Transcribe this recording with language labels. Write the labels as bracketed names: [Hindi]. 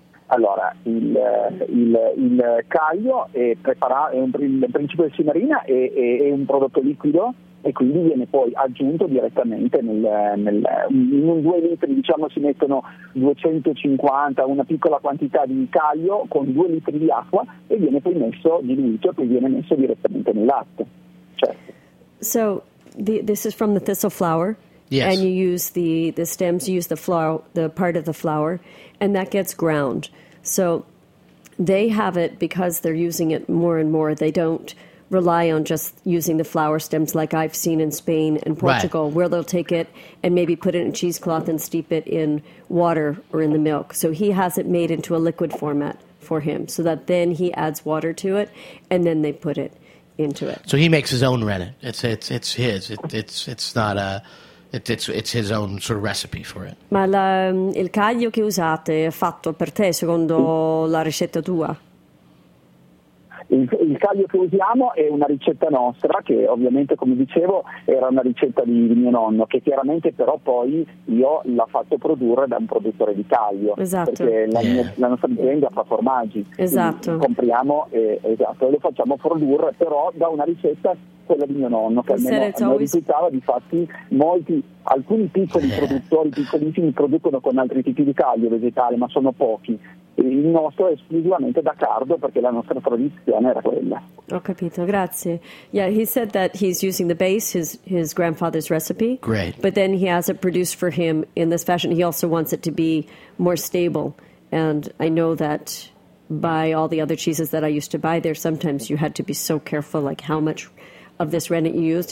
[Italian] Allora, il caglio è un principio di cinarina, è un prodotto liquido e quindi viene poi aggiunto direttamente in 2 litri, diciamo si mettono 250, una piccola quantità di caglio con 2 litri di acqua e viene poi messo, diluito, e poi viene messo direttamente nel latte. Certo. [English] So, this is from the thistle flower? Yes. And you use the stems, you use the part of the flower, and that gets ground. So they have it because they're using it more and more. They don't rely on just using the flower stems like I've seen in Spain and Portugal, right, where they'll take it and maybe put it in a cheesecloth and steep it in water or in the milk. So he has it made into a liquid format for him so that then he adds water to it and then they put it into it. So he makes his own rennet. It's his. It's not a... It's his own sort of recipe for it. [Italian] Ma il caglio che usate è fatto per te secondo la ricetta tua? Il caglio che usiamo è una ricetta nostra, che ovviamente, come dicevo, era una ricetta di mio nonno, che chiaramente però poi io l'ho fatto produrre da un produttore di caglio. Esatto. Perché la nostra azienda fa formaggi. Esatto. Compriamo e lo facciamo produrre però da una ricetta, quella di mio nonno, che almeno mi risultava. Difatti alcuni piccoli produttori, piccolissimi, producono con altri tipi di caglio vegetale, ma sono pochi. Il nostro è esclusivamente da cardo perché la nostra tradizione era quella. Ho capito, grazie. [English] Yeah, he said that he's using the base, his grandfather's recipe. Great. But then he has it produced for him in this fashion. He also wants it to be more stable. And I know that by all the other cheeses that I used to buy there, sometimes you had to be so careful, like how much of this rennet you used.